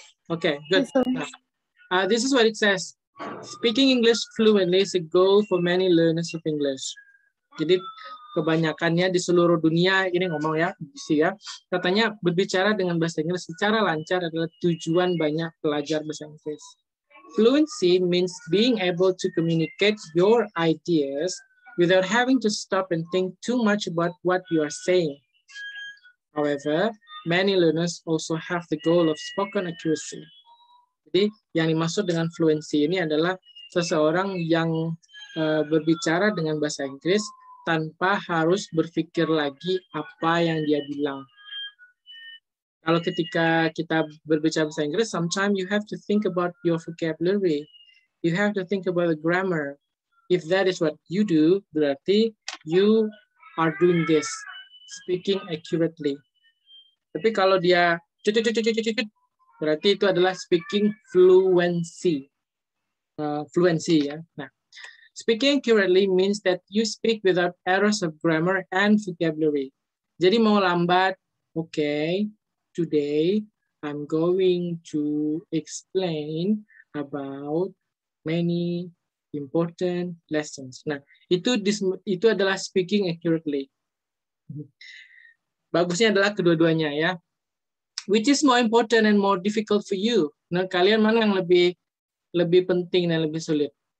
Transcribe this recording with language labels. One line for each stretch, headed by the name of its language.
English: Okay, good. Nah, this is what it says. Speaking English fluently is a goal for many learners of English.
Indonesian: Jadi kebanyakannya di seluruh dunia, ini ngomong ya, sih ya, katanya berbicara dengan bahasa Inggris secara lancar adalah tujuan banyak pelajar bahasa Inggris.
English: Fluency means being able to communicate your ideas without having to stop and think too much about what you are saying. However, many learners also have the goal of spoken accuracy.
Indonesian: Jadi yang dimaksud dengan fluency ini adalah seseorang yang berbicara dengan bahasa Inggris tanpa harus berpikir lagi apa yang dia bilang. Kalau ketika kita berbicara bahasa Inggris,
English: sometimes you have to think about your vocabulary. You have to think about the grammar. If that is what you do, berarti you are doing this, speaking accurately.
Indonesian: Tapi kalau dia cut, berarti itu adalah speaking fluency.
English: fluency. Yeah? Nah, speaking accurately means that you speak without errors of grammar and vocabulary.
Indonesian: Jadi mau lambat,
English: okay, today I'm going to explain about many important lessons.
Indonesian: Nah, itu adalah speaking accurately. Bagusnya adalah kedua-duanya ya.
English: Which is more important and more difficult for you?
Indonesian: Nah, kalian mana yang lebih penting dan lebih sulit?